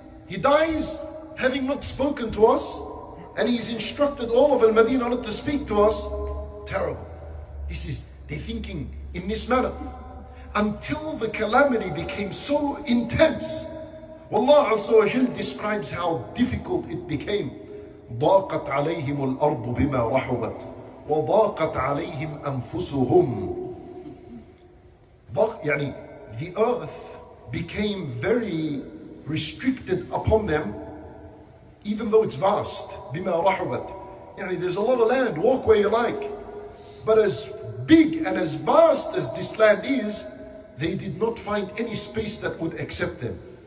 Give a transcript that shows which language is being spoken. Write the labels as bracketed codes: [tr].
[en] He dies having not spoken to us, and he's instructed all of Al-Madinah not to speak to us. Terrible. This is their thinking in this manner. Until the calamity became so intense. Allah Azza wa Jal describes how difficult it became. [ar] ضاقت عليهم الأرض بما رحبت وضاقت عليهم أنفسهم. [en] يعني the earth became very restricted upon them, even though it's vast. [ar] Bima rahubat. [en] Yani, there's a lot of land, walk where you like. But as big and as vast as this land is, they did not find any space that would accept them.